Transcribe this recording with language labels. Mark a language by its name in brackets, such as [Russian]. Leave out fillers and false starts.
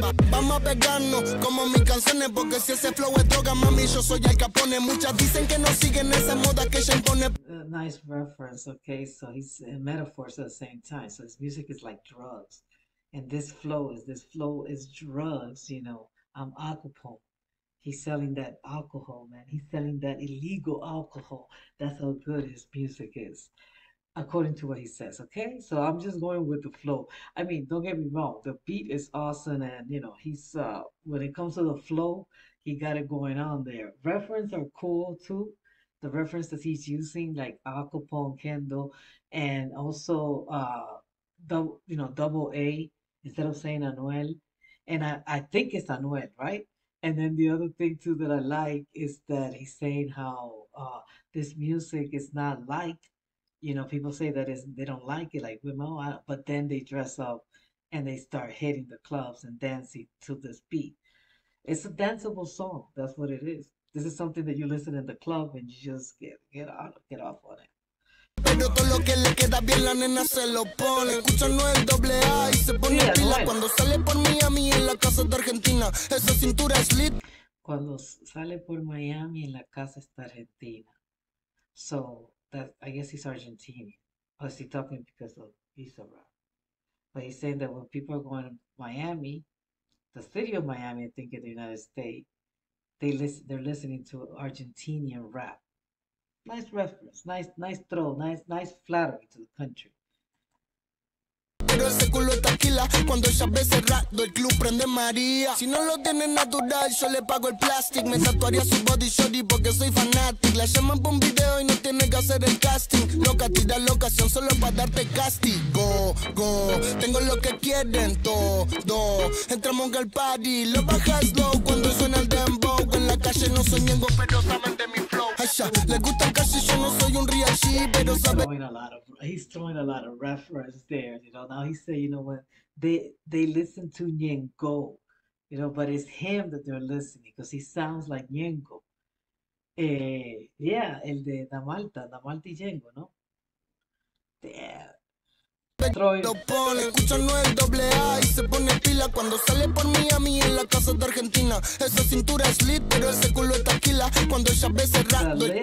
[Spanish] Vamos a pegarnos como mis canciones. Porque si ese flow es droga, mami, yo soy Al Capone. Muchas dicen que no siguen esa moda que ella impone. [English] Nice reference, okay? So he's in metaphors at the same time. So his music is like drugs. And this flow is drugs, you know. I'm Al Capone. He's selling that alcohol, man. He's selling that illegal alcohol. That's how good his music is, according to what he says, okay? So I'm just going with the flow. I mean, don't get me wrong. The beat is awesome, and, you know, he's when it comes to the flow, he got it going on there. Reference are cool, too. The reference that he's using, like Al Capone, Kendo, and also, double A, instead of saying Anuel. And I think it's Anuel, right? And then the other thing, too, that I like is that he's saying how this music is not like, you know, people say that they don't like it, like, but then they dress up and they start hitting the clubs and dancing to this beat. It's a danceable song. That's what it is. This is something that you listen in the club and you just get off on it. [Spanish] Pero todo lo que le queda bien, la nena se lo pone. Escucha no el doble A y se pone pila cuando sale por Miami en la casa de Argentina. Esa cintura es lit. Cuando sale por Miami en la casa está Argentina. [English] So, that, I guess he's Argentinian. Plus, he's talking because of visa rap. But he's saying that when people are going to Miami, the city of Miami, I think in the United States, they're listening to Argentinian rap. Nice reference, nice throw, nice flattery to the country. [Spanish] Pero ese culo es taquila, cuando ella ve cerrado el club prende María. Si no lo tiene natural, yo le pago el plastic. Me tatuaría su body shorty porque soy fanatic. La llaman por un video y no tiene que hacer el casting. Loca, tira la locación solo para darte castigo. Go, tengo lo que quieren todo. Entramos en el party, lo bajas low. Cuando suena el dembow, en la calle no soy ñengo, pero saben de mi flow. Ella le gusta casi, yo no soy un real G, pero sabe. [English] He's throwing a lot of reference there, you know. Now he said, you know what, they listen to Ñengo, you know, but it's him that they're listening because he sounds like Ñengo. [Spanish] Yeah, el de Damalta, Damalta y Ñengo, ¿no? [English] Damn. Troy. [Spanish] Pon, escucha no el doble A y se pone pila cuando sale por Miami en la casa de Argentina. Esa cintura es lit, pero ese culo es taquila cuando ella ve cerrado.